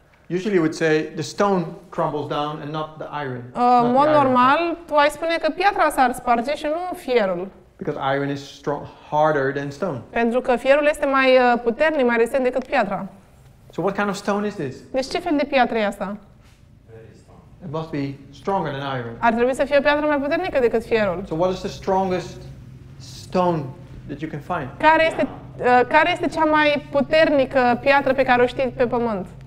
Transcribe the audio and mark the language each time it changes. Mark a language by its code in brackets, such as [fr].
[en] Usually you would say the stone crumbles down and not the iron. [ro] Normal, tu ai spune că piatra s-ar sparge și nu fierul. [en] Because iron is strong, harder than stone. [ro] Pentru că fierul este mai puternic, mai rezistent decât piatra. [en] So what kind of stone is this? [ro] Deci ce fel de piatră e asta? [en] It must be stronger than iron. [ro] Ar trebui să fie o piatră mai puternică decât fierul. [en] So what is the strongest stone that you can find? [ro] Care este cea mai puternică piatră pe care o știi pe pământ?